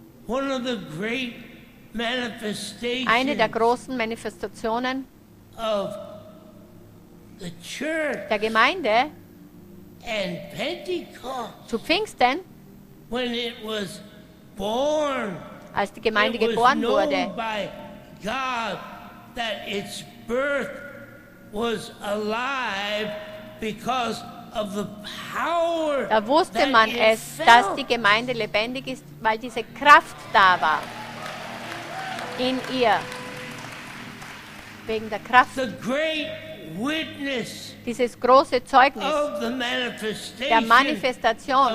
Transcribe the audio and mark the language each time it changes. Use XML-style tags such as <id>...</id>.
<en>One of the great manifestations</en> <de>eine der großen Manifestationen</de> <en>of the church</en> <de>der Gemeinde</de> <en>and Pentecost,</en> <de>zu Pfingsten,</de> <en>when it was born,</en> <de>als die Gemeinde geboren wurde,</de> <en>by God that its birth was alive because of the power.</en> <de>Da wusste man es, dass die Gemeinde lebendig ist, weil diese Kraft da war in ihr wegen der Kraft.</de> <en>The great witness</en> <de>dieses große Zeugnis</de> <en>of the manifestation</en> <de>der Manifestation</de>